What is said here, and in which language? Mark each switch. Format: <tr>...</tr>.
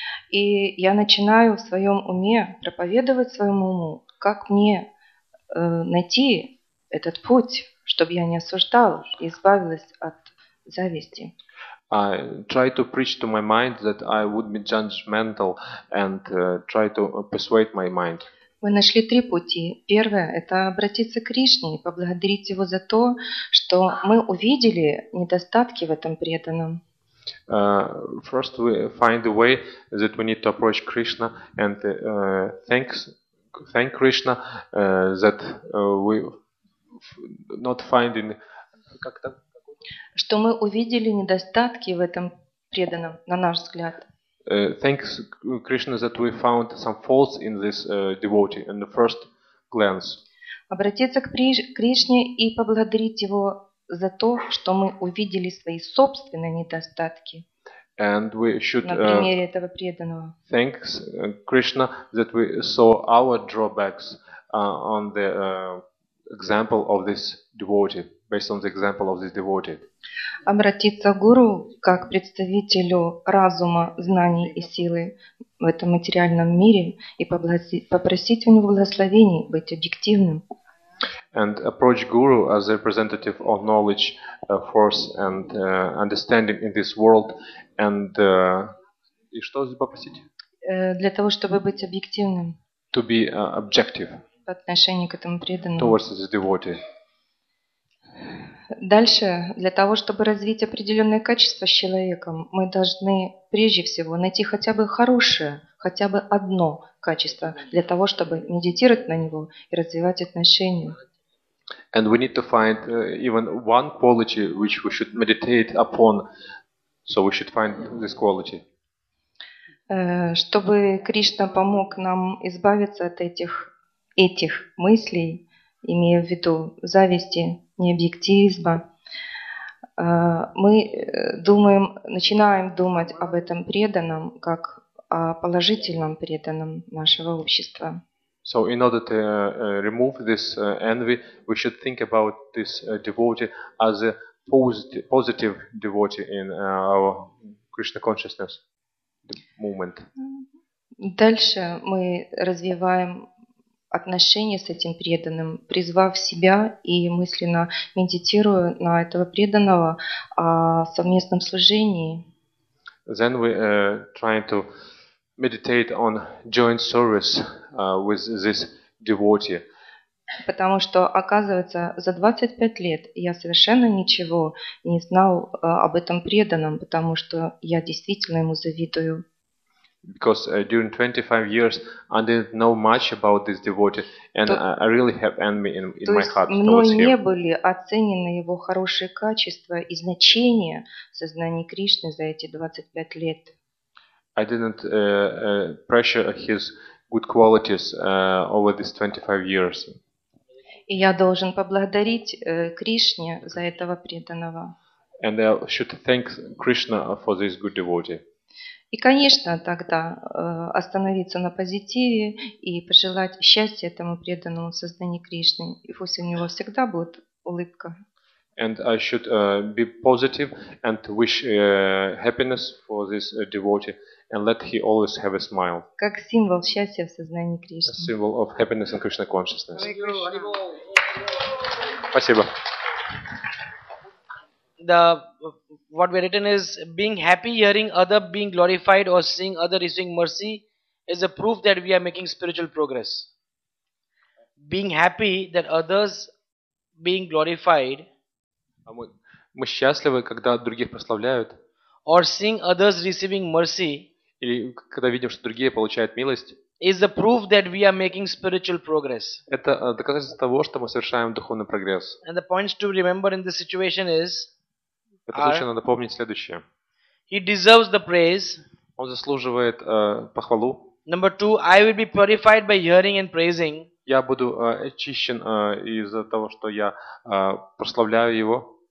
<ru>И я начинаю в своем уме проповедовать своему уму, как мне найти этот путь, чтобы я не осуждал и избавилась от зависти.</ru> <en>I try to preach to my mind that I would be judgmental and try to persuade my mind.</en> <ru>Мы нашли три пути. Первое – это обратиться к Кришне и поблагодарить Его за то, что мы увидели недостатки в этом преданном.</ru> <en>First we find a way that we need to approach Krishna and thank Krishna that we not finding</en> <ru>как-то что мы увидели недостатки в этом преданном, на наш взгляд.</ru> <en>Thanks Krishna that we found some faults in this devotee in the first glance.</en> <ru>Обратиться к Кришне и поблагодарить его за то, что мы увидели свои собственные недостатки.</ru> <en>And we should</en> <ru>на примере этого преданного.</ru> <en>Thanks Krishna that we saw our drawbacks on the example of this devotee. Based on the example of this devotee.</en> <ru>Обратиться к гуру как представителю разума, знаний и силы в этом материальном мире и попросить у него благословений быть объективным.</ru> <en>And approach guru as a representative of knowledge, force and understanding in this world and</en> <ru>и что здесь попросить? Для того, чтобы быть объективным.</ru> <en>To be objective.</en> <ru>По отношению к этому преданному.</ru> <en>Towards this devotee.</en> <ru>Дальше, для того, чтобы развить определенные качества с человеком, мы должны прежде всего найти хотя бы хорошее, хотя бы одно качество, для того, чтобы медитировать на него и развивать отношения.</ru> <en>And we need to find even one quality which we should meditate upon, so we should find this quality.</en> <ru>Чтобы Кришна помог нам избавиться от этих мыслей, имея в виду зависти, необъективизма, мы думаем, начинаем думать об этом преданном как о положительном преданном нашего общества.</ru> <en>So in order to remove this envy, we should think about this devotee as a positive devotee in our Krishna consciousness movement.</en> <ru>Дальше мы развиваем отношения с этим преданным, призвав себя и мысленно медитируя на этого преданного о совместном служении.</ru> <en>Then we try to meditate on joint service with this devotee.</en> <ru>Потому что, оказывается, за 25 лет я совершенно ничего не знал об этом преданном, потому что я действительно ему завидую.</ru> <en>Because during 25 years I didn't know much about this devotee and I really have envy in my heart towards him.</en> <ru>То есть мной не были оценены его хорошие качества и значение сознания Кришны за эти 25 лет.</ru> <en>I didn't pressure his good qualities over these 25 years.</en> <ru>И я должен поблагодарить Кришне за этого преданного.</ru> <en>And I should thank Krishna for this good devotee.</en> <ru>И, конечно, тогда остановиться на позитиве и пожелать счастья этому преданному сознанию Кришны. И пусть у него всегда будет улыбка.</ru> <en>And I should be positive and wish happiness for this devotee and let he always have a smile.</en> <ru>Как символ счастья в сознании Кришны.</ru> <en>A symbol of happiness and Krishna consciousness.</en> <ru>Спасибо.</ru> <en>The what we written is being happy hearing other being glorified or seeing other receiving mercy is a proof that we are making spiritual progress. Being happy that others being glorified.</en> <ru>Мы счастливы, когда других прославляют.</ru> <en>Or seeing others receiving mercy.</en> <ru>Или когда видим, что другие получают милость.</ru> <en>Is a proof that we are making spiritual progress.</en> <ru>Это доказательство того, что мы совершаем духовный прогресс.</ru> <en>And the points to remember in this situation is.</en> <ru>Это точно надо помнить следующее.</ru> <en>He deserves the praise.</en> <ru>Он заслуживает похвалу.</ru> <en>Number two, I will be purified by hearing and praising.</en> <ru>Я буду очищен из-за того, что я прославляю его.</ru>